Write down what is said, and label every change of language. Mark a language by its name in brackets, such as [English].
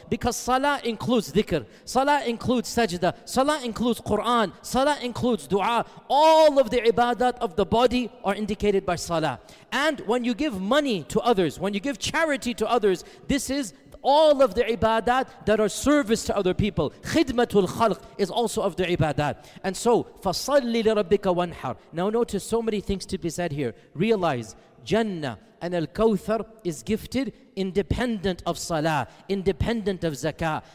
[English] Because salah includes dhikr, salah includes sajda, salah includes Quran, salah includes dua. All of the ibadat of the body are indicated by salah. And when you give money to others, when you give charity to others, this is all of the ibadat that are service to other people. Khidmatul khalq is also of the ibadat. And so, [Arabic] فَصَلِّ لِرَبِّكَ وَانْحَرْ. [English] Now notice so many things to be said here. Realize, Jannah and Al-Kawthar is gifted independent of salah, independent of zakah.